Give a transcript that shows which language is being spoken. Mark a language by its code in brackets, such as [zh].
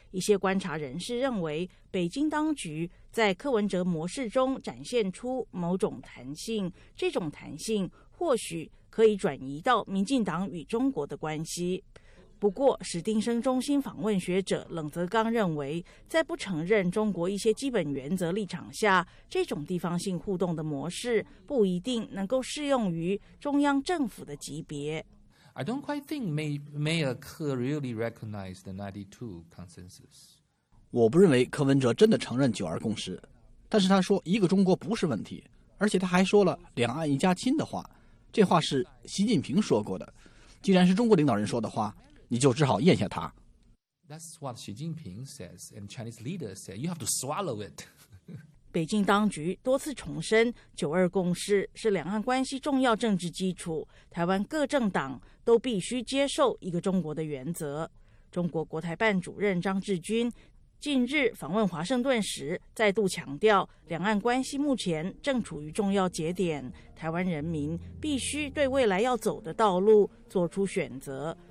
[zh] 一些观察人士认为，北京当局在柯文哲模式中展现出某种弹性，这种弹性或许可以转移到民进党与中国的关系。不过，史丁生中心访问学者冷泽刚认为，在不承认中国一些基本原则立场下，这种地方性互动的模式不一定能够适用于中央政府的级别。 [en] I don't quite think Mayer really recognized the 92 consensus. [zh] 我不认为柯文哲真的承认九二共识，但是他说一个中国不是问题，而且他还说了两岸一家亲的话，这话是习近平说过的。既然是中国领导人说的话，你就只好咽下它。 [en] That's what Xi Jinping says, and Chinese leaders say you have to swallow it. [zh] 北京当局多次重申，九二共识是两岸关系重要政治基础，台湾各政党都必须接受一个中国的原则。中国国台办主任张志军近日访问华盛顿时再度强调，两岸关系目前正处于重要节点，台湾人民必须对未来要走的道路做出选择。